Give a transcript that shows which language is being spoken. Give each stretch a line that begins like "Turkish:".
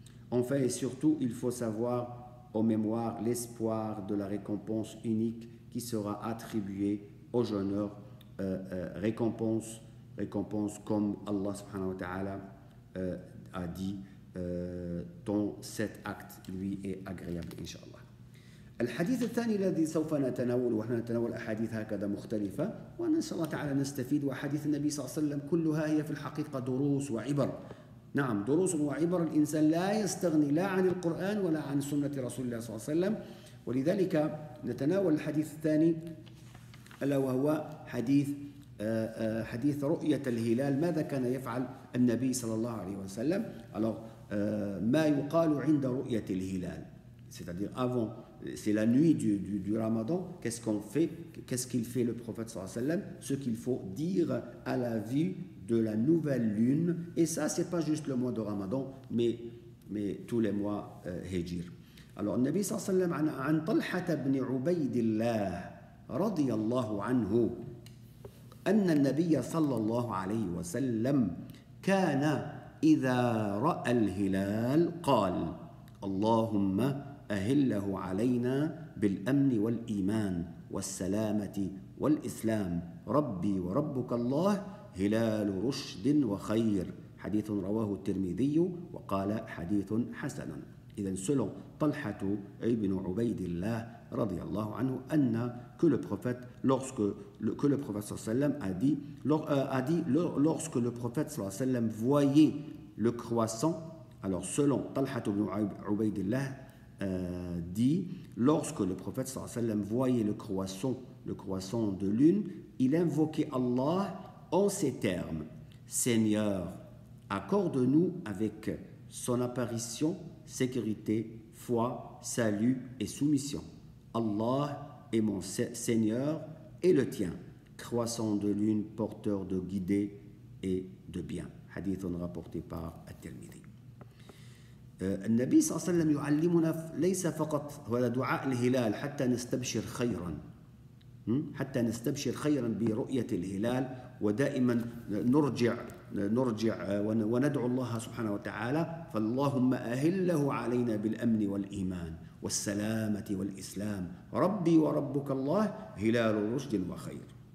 French: Enfin et surtout, il faut savoir en mémoire l'espoir de la récompense unique qui sera attribuée au jeûneur, récompense comme Allah subhanahu wa ta'ala a dit, dont cet acte lui est agréable, inshallah.
Arabic: الحديث الثاني الذي سوف نتناوله، ونحن نتناول أحاديث هكذا مختلفة، ونسأل الله تعالى نستفيد، وحديث النبي صلى الله عليه وسلم كلها هي في الحقيقة دروس وعبر. نعم، دروس وعبر. الإنسان لا يستغني لا عن القرآن ولا عن سنة رسول الله صلى الله عليه وسلم. ولذلك نتناول الحديث الثاني، ألا وهو حديث رؤية الهلال. ماذا كان يفعل النبي صلى الله عليه وسلم؟ ما يقال عند رؤية الهلال،
French: c'est-à-dire avant، c'est la nuit du Ramadan. Qu'est-ce qu'on fait? Qu'est-ce qu'il fait le prophète sallallahu alayhi wa sallam? Ce qu'il faut dire à la vue de la nouvelle lune. Et ça, c'est pas juste le mois de Ramadan, mais tous les mois Hijr.
Arabic: Alors, le Nabi sallallahu alayhi wa sallam, an Talha ibn Ubaydillah radiyallahu anhu, anna Nabi sallallahu alayhi wa sallam kana idha ra'a al-hilal qal Allahumma أهله علينا بالأمن والإيمان والسلامة والإسلام، ربي وربك الله هلال رشد وخير. حديث رواه الترمذي وقال حديث حسن.
French: إذن سلو طلحة ابن عبيد الله رضي الله عنه أن كل بروفيت lorsque كل بروفيت صلى الله عليه وسلم a dit lorsque le prophète صلى الله عليه وسلم voyait le croissant. Alors selon طلحة ابن عبيد الله dit, lorsque le prophète sallallahu alayhi wa sallam voyait le croissant de lune, il invoquait Allah en ces termes: Seigneur, accorde-nous avec son apparition sécurité, foi, salut et soumission. Allah est mon Seigneur et le tien, croissant de lune, porteur de guidé et de bien. Hadith rapporté par At-Tirmidhi.
Arabic: النبي صلى الله عليه وسلم يعلمنا ليس فقط هو دعاء الهلال حتى نستبشر خيرا، حتى نستبشر خيرا برؤية الهلال، ودائما نرجع وندعو الله سبحانه وتعالى، فاللهم أهله علينا بالأمن والإيمان والسلامة والإسلام، ربي وربك الله هلال رشد وخير.